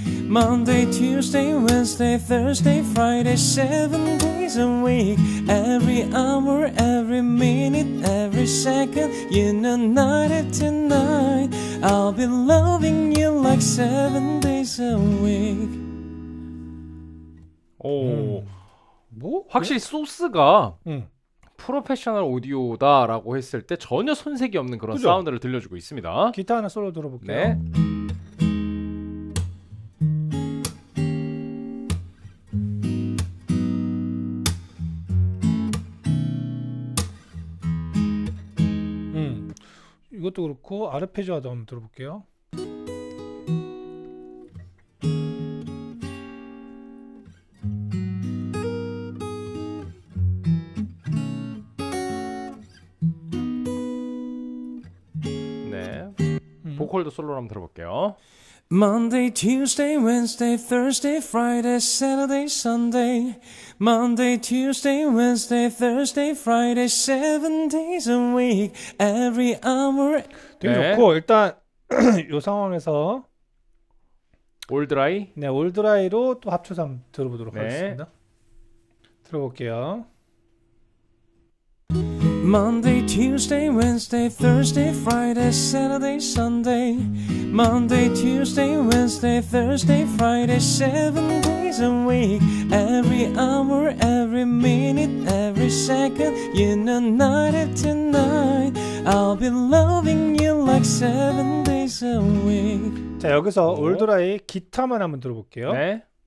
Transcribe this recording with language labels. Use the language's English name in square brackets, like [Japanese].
[English] Monday, Tuesday, Wednesday, Thursday, Friday, 7 days a week. Every hour, every minute, every second, in a night and tonight, I'll be loving you like 7 days a week. [Korean] 오, 뭐? 확실히 네? 소스가 프로페셔널 오디오다라고 했을 때 전혀 손색이 없는 그런 그죠? 사운드를 들려주고 있습니다. 기타 하나 솔로 들어볼게요. 네. 이것도 그렇고 아르페지오 하다 한번 들어볼게요. 보컬도 솔로로 한번 들어볼게요. [English] Monday, Tuesday, Wednesday, Thursday, Friday, Saturday, Sunday. Monday, Tuesday, Wednesday, Thursday, Friday, 7 days a week. Every hour. [Korean] 되게 네. 좋고 일단 이 상황에서 올 드라이. 네, 올 드라이로 또 합쳐서 한번 들어보도록 네. 하겠습니다. 들어볼게요. [English] Monday, Tuesday, Wednesday, Thursday, Friday, Saturday, Sunday. Monday, Tuesday, Wednesday, Thursday, Friday, 7 days a week. Every hour, every minute, every second, in a night and tonight, I'll be loving you like 7 days a week. [Korean] 자, 여기서 올드라이 기타만 한번 들어볼게요. 네.